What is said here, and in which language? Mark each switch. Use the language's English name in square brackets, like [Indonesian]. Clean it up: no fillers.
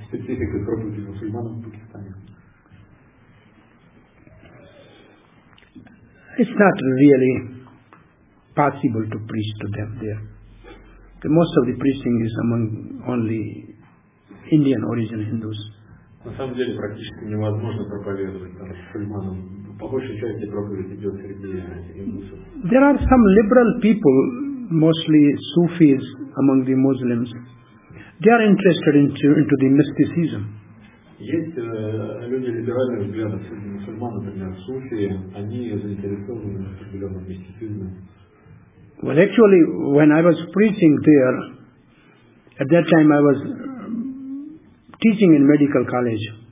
[English] Specifically, probably Muslims in Pakistan. It's not really possible to preach to them there. The most of the preaching is among only Indian origin Hindus. [Russian] На самом деле практически невозможно проповедовать там мусульманам. По большей части проповедь идет среди индусов. [English] There are some liberal people, mostly Sufis among the Muslims. They are interested into the mysticism. [Russian] Есть люди либеральных взглядов среди мусульман, например, суфи, они заинтересованы в определенном мистицизме. [English] Well, actually, when I was preaching there, at that time I was teaching in medical college.